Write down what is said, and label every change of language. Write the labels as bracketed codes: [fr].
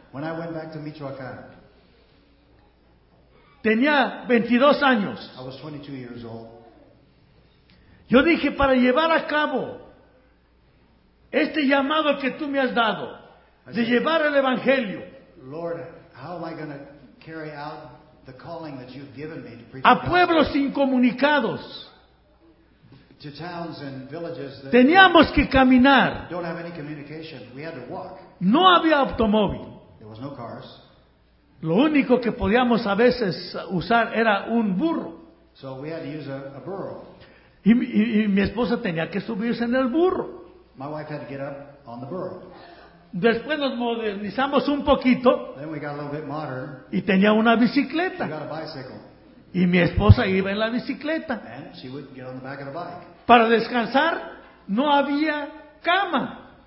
[en] when I went back to Michoacán, [es] tenía 22 años. [en] I was 22 years old. [es] Yo dije, para llevar a cabo este llamado que tú me has dado, de llevar el Evangelio, [en] Lord, how am I going to carry out the calling that you've given me to preach [es] a pueblos incomunicados? [en] To towns and villages that [es] teníamos que caminar. [en] Don't have any communication. We had to walk. [es] No había automóvil. [en] There was no cars. [es] Lo único que podíamos a veces usar era un burro. [en] So we had to use a burro. [es] Y mi esposa tenía que subirse en el burro. [en] My wife had to get up on the burro. [es] Después nos modernizamos un poquito. [en] Then we got a little bit modern. [es] Y tenía una bicicleta. [en] She got a bicycle. [es] Y mi esposa iba en la bicicleta. [en] And she would get on the back of the bike. [es] Para descansar no había cama.